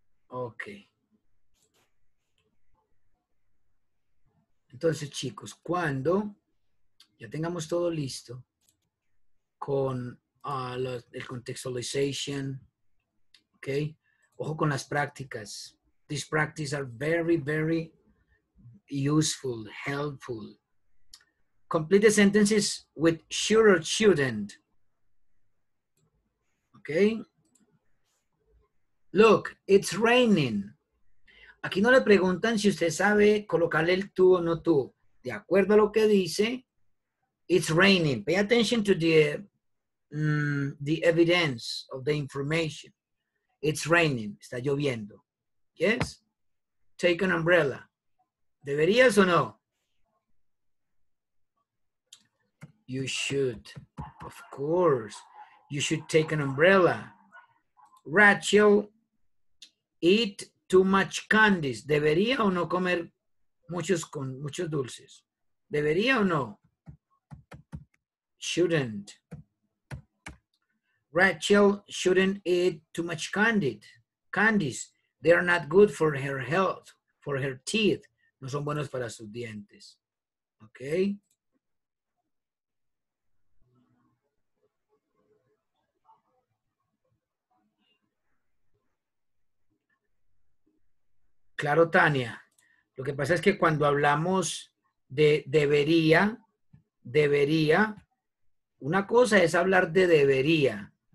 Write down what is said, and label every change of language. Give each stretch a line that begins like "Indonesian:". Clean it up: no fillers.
English: Okay.
Spanish: Entonces, chicos, cuando ya tengamos todo listo con el contextualization, okay, ojo con las prácticas.
English: These practices are very, very useful, helpful. Complete the sentences with should or shouldn't. Okay. Look, it's raining.
Spanish: Aquí no le preguntan si usted sabe colocarle el tú o no tú. De acuerdo a lo que dice,
English: it's raining. Pay attention to the evidence of the information. It's raining.
Spanish: Está lloviendo.
English: Yes? Take an umbrella.
Spanish: ¿Deberías o no?
English: You should. Of course. You should take an umbrella. Rachel, eat too much candies.
Spanish: ¿Debería o no comer muchos dulces? ¿Debería o no? Shouldn't.
English: Rachel shouldn't eat too much candies. They are not good for her health, for her teeth.
Spanish: No son buenos para sus dientes. Okay? Claro, Tania. Lo que pasa es que cuando hablamos de debería, una cosa es hablar de debería.